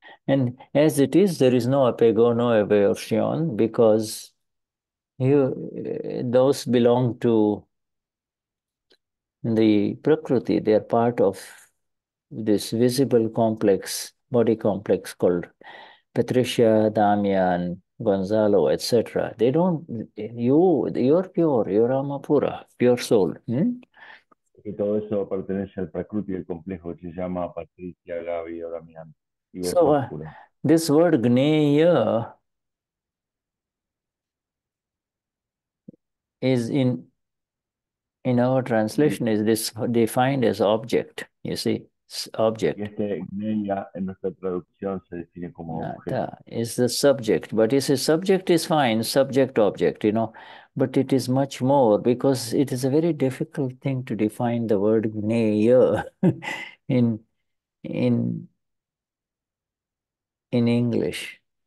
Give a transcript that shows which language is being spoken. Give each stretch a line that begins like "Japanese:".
English: And as it is, there is no apego, no aversion, because you those belong to the prakriti. They are part of this visible complex, body complex called Patricia, Damian, Gonzalo, etc. They don't. You're pure. You're Amapura, pure soul. Hmm?
Spanish: Que todo eso pertenece al prakruti del complejo que se llama Patricia, Gaby o Damián.
English: So, this word gneya is in our translation is this defined as object, you see, object.
Spanish: Y este gneya en nuestra traducción se define como objeto.
English: Is the subject, but you see, subject is fine, subject, object, you know. But it is much more because it is a very difficult thing to define the word gneya in English.